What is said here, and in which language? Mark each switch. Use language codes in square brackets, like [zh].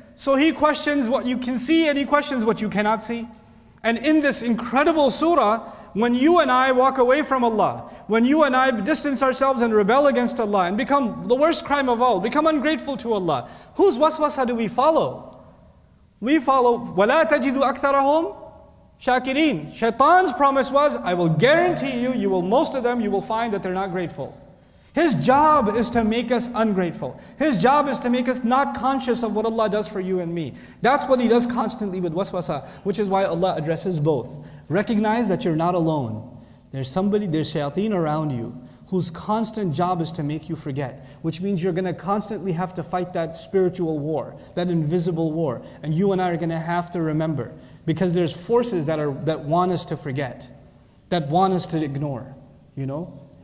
[en] So He questions what you can see and He questions what you cannot see. And in this incredible surah, when you and I walk away from Allah, when you and I distance ourselves and rebel against Allah and become the worst crime of all, become ungrateful to Allah, whose waswasa do we follow? We follow, [ar] وَلَا تَجِدُ أَكْثَرَهُمْ شَاكِرِينَ. [en] Shaitan's promise was, I will guarantee you, most of them, you will find that they're not grateful. His job is to make us ungrateful. His job is to make us not conscious of what Allah does for you and me. That's what He does constantly with waswasa, which is why Allah addresses both. Recognize that you're not alone. There's shayateen around you whose constant job is to make you forget, which means you're gonna constantly have to fight that spiritual war, that invisible war, and you and I are gonna have to remember because there's forces that want us to forget, that want us to ignore, you know?